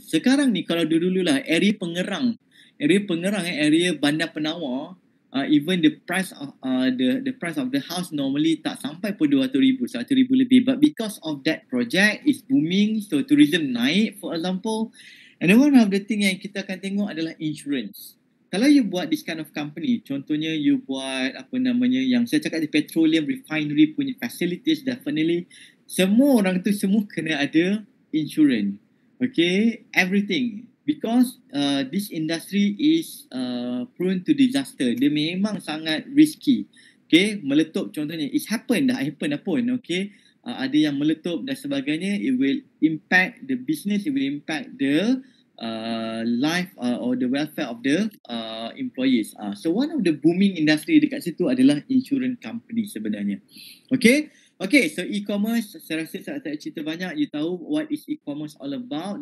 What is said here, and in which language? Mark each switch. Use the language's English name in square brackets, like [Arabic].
[Malay] Sekarang ni, kalau dulu lah, area pengerang, area bandar penawar, [English] even the price of the price of the house [Malay] normally tak sampai pun RM200,000 lebih. [English] But because of that project is booming, so tourism naik, for example. And then one of the thing [Malay] yang kita akan tengok adalah [English] insurance. [Malay] Kalau you buat [English] this kind of company, [Malay] contohnya you buat apa namanya yang saya cakap di petroleum refinery punya facilities, definitely semua orang tu semua kena ada insurance. [English] Okay, everything. Because this industry is prone to disaster. [Malay] Dia memang sangat risky. Okay, meletup contohnya. [English] It's happened, dah happened pun. [Malay] Okay, ada yang meletup dan sebagainya. [English] It will impact the business, it will impact the life or the welfare of the employees. So one of the booming industry [Malay] dekat situ adalah [English] insurance company sebenarnya. Okay, so e-commerce, [Malay] saya rasa saya tak cerita banyak. [English] You tahu what is e-commerce all about.